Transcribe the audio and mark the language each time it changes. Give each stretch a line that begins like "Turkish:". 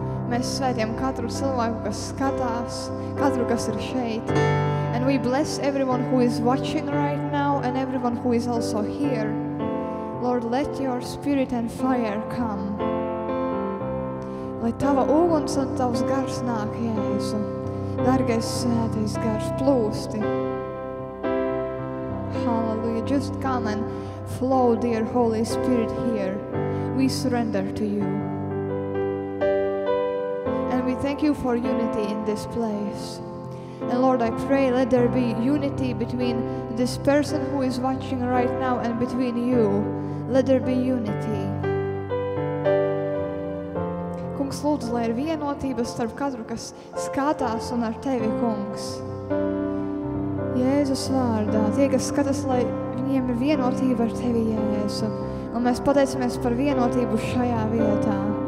Latvian: Mēs svētiem katru cilvēku, kas skatās, katru, kas ir šeit.
English: And we bless everyone who is watching right now and everyone who is also here. Lord, let Your Spirit and fire come.
Latvian: Lai Tava uguns un Tavs gars nāk, Jēzu. Dargais svētais gars plūsti.
English: Hallelujah. Just come and flow, dear Holy Spirit, here. We surrender to You. And we thank You for unity in this place. And Lord, I pray, let there be unity between this person who is watching right now and between You. Let there be unity.
Latvian: Kungs, lūdzu, lai ir vienotība starp katru, kas skatās un ar Tevi, Kungs. Jēzus vārdā, tie, kas skatās, lai viņiem ir vienotība ar Tevi, Jēzu. un mēs pateicamies par vienotību šajā vietā.